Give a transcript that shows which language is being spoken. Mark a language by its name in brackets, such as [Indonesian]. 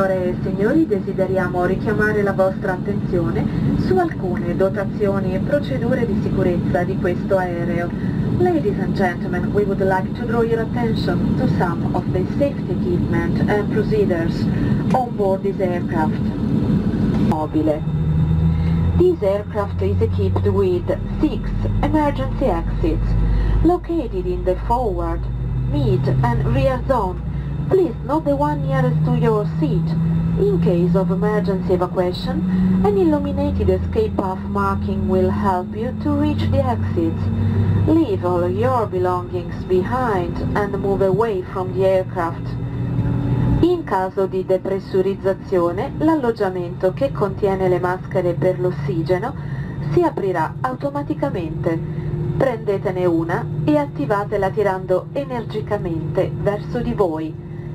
[Italian] Signore e signori, desideriamo richiamare la vostra attenzione su alcune dotazioni e procedure di sicurezza di questo aereo. [English] Ladies and gentlemen, we would like to draw your attention to some of the safety equipment and procedures on board this aircraft. Mobile. This aircraft is equipped with 6 emergency exits located in the forward, mid and rear zone. Please note the one nearest to your seat. In case of emergency evacuation, an illuminated escape path marking will help you to reach the exits. Leave all your belongings behind and move away from the aircraft. [Italian] In caso di depressurizzazione, l'alloggiamento che contiene le maschere per l'ossigeno si aprirà automaticamente. Prendetene una e attivatela tirando energicamente verso di voi.